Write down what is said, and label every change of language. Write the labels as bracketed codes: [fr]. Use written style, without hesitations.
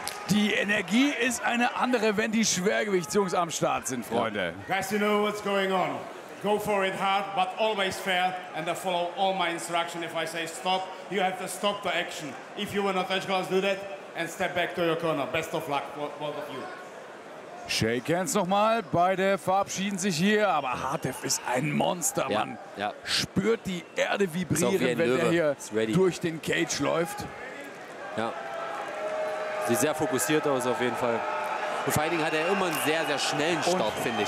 [de] Die Energie ist eine andere, wenn die Schwergewichtsjungs am Start sind, Freunde. [en] Guys, you know what's going on. Go for it hard, but always fair, and follow all my instructions. If I say stop, you have to stop the action. If you want to touch gloves, do that and step back to your corner. Best of luck, both of you. Shake hands [de] nochmal. Beide verabschieden sich hier, aber Hatef ist ein Monster, ja, Mann. Ja. Spürt die Erde vibrieren, wenn er hier durch den Cage läuft. Ja, sieht sehr fokussiert aus auf jeden Fall. Vor allen Dingen hat er immer einen sehr, sehr schnellen Start, finde ich.